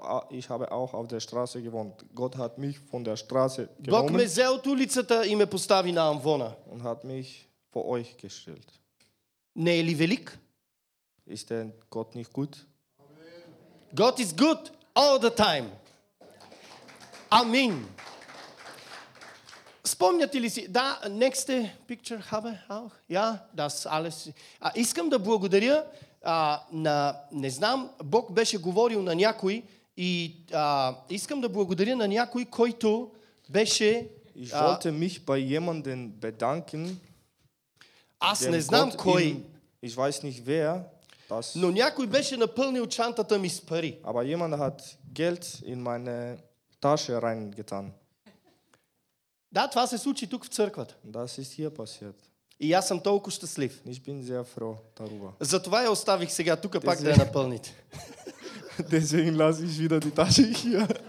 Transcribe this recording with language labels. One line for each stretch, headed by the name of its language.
German: Ich habe auch auf der Straße gewohnt. Gott hat mich von der Straße genommen.
Bulgarian: Бог ме взе от улицата и ме постави на амвона.
German: Und hat mich vor euch gestellt.
Bulgarian: Не е ли велик?
German: Ist denn Gott nicht gut?
English: God is good all the time. Amen.
Bulgarian: Спомняте ли си? Да,
English: next picture have auch.
German: Ja, das alles.
Bulgarian: Искам да благодаря на, не знам, Бог беше говорил на някой и искам да благодаря на някой, който беше
German: Ich wollte mich bei jemandem bedanken.
Bulgarian: Аз не знам кой.
German: Ich weiß nicht wer. Das,
Bulgarian: но някой беше напълнил чантата ми с пари.
German: Aber jemand hat Geld in meine Tasche reingetan.
Bulgarian: Да, това се случи тук в църквата.
German: Das ist hier passiert.
Bulgarian: И аз съм толкова щастлив.
German: Ich bin sehr froh darüber.
Bulgarian: Затова я оставих сега тук пак да я напълните.
German: Deswegen lasse ich wieder die Tasche hier.